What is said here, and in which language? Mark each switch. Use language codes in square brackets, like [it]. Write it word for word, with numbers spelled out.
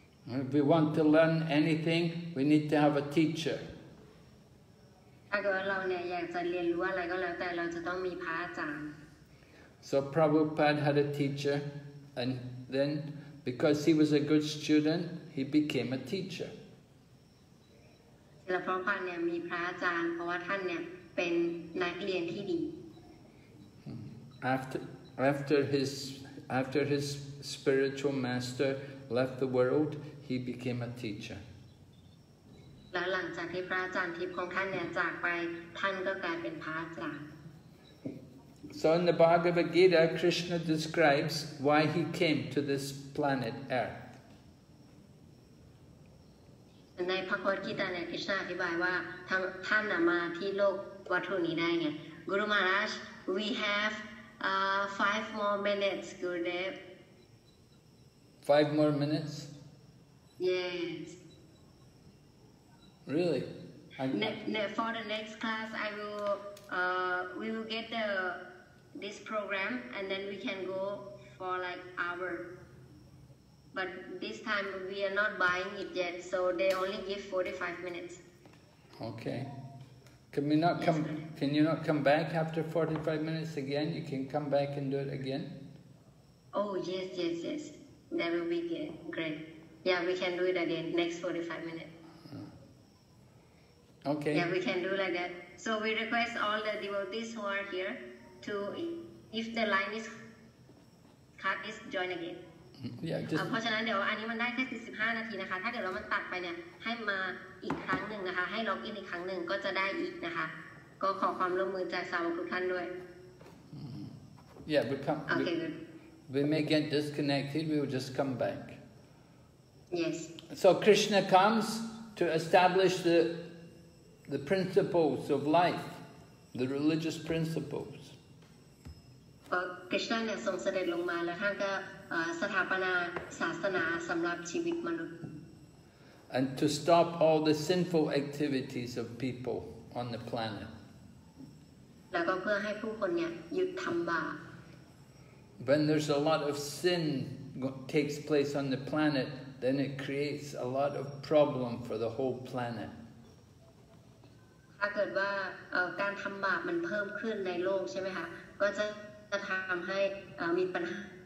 [en] If we want to learn anything, we need to have a teacher. [th] ถ้าเกิดเราเนี่ยอยากจะเรียนรู้อะไรก็แล้วแต่เราจะต้องมีพระอาจารย์ [en] So Prabhupada had a teacher, and then because he was a good student, he became a teacher. [th] และพระพันเนี่ยมีพระอาจารย์เพราะว่าท่านเนี่ยเป็นนักเรียนที่ดี [en] After, after his, after his spiritual master left the world, he became a teacher. [th] แล้วหลังจากที่พระอาจารย์ทิพย์ของท่านเนี่ยจากไปท่านก็กลายเป็นพระอาจารย์ [en] So in the Bhagavad Gita, Krishna describes why he came to this planet Earth. [th] ในพระคัมภีร์กาเนี่ยคริสต์อธิบายว่าท่านมาที่โลกวัฏฏุนี้ได้ไง [en] Guru Maharaj, we have Uh, five more minutes, Gurudev. Five more minutes? Yes. Really? Ne- ne- for the next class, I will. Uh, we will get the this program, and then we can go for like hour. But this time we are not buying it yet, so they only give forty-five minutes. Okay. Can we not come? Can you not come back after forty-five minutes again? You can come back and do it again. Oh yes, yes, yes. That will be great. Yeah, we can do it again next forty-five minutes. Okay. Yeah, we can do like that. So we request all the devotees who are here to, if the line is cut, is join again. Yeah. [th] เพราะฉะนั้นเดี๋ยวอันนี้มันได้แค่สี่สิบห้านาทีนะคะถ้าเดี๋ยวเรามันตัดไปเนี่ยให้มาอีกครั้งนึงนะคะให้ล็อกอินอีกครั้งนึงก็จะได้อีกนะคะก็ขอความร่วมมือจากสาวกทุกท่านด้วย [en] Yeah we come Okay we, good we may get disconnected we will just come back Yes So Krishna comes to establish the the principles of life the religious principles [th] พระคริสต์เนี่ยทรงเสด็จลงมาแล้วท่านก็สถาปนาศาสนาสำหรับชีวิตมนุษย์ [en] And to stop all the sinful activities of people on the planet [th] แล้วก็เพื่อให้ผู้คนเนี่ยหยุดทำบาป [en] When there's a lot of sin takes place on the planet then it creates a lot of problem for the whole planet [th] ถ้าเกิดว่าการทำบาปมันเพิ่มขึ้นในโลกใช่ไหมคะก็จะจะทำให้มีปัญหา